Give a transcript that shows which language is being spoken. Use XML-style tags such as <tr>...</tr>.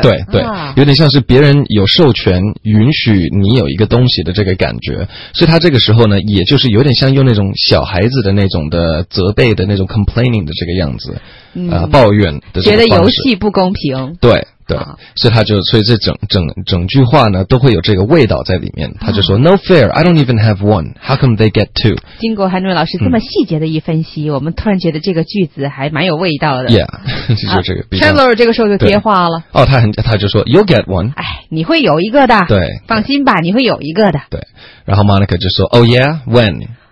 <zh>对对，有点像是别人有授权允许你有一个东西的这个感觉。所以他这个时候呢，也就是有点像用那种小孩子的那种的责备的那种 complaining 的这个样子，抱怨的，觉得游戏不公平，对对，所以他就，所以这整句话呢，都会有这个味道在里面。他就说</zh> <en>No fair, I don't even have one. How come they get two?</en> <zh>经过韩瑞老师这么细节的一分析，我们突然觉得这个句子还蛮有味道的。 Yeah， 就这个。 Chandler 这个时候就接话了。哦，他就说</zh> <en>You'll get one。</en> <zh>哎，你会有一个的。对，放心吧，你会有一个的。对，然后 Monica 就说</zh> <en>Oh yeah, when？</en>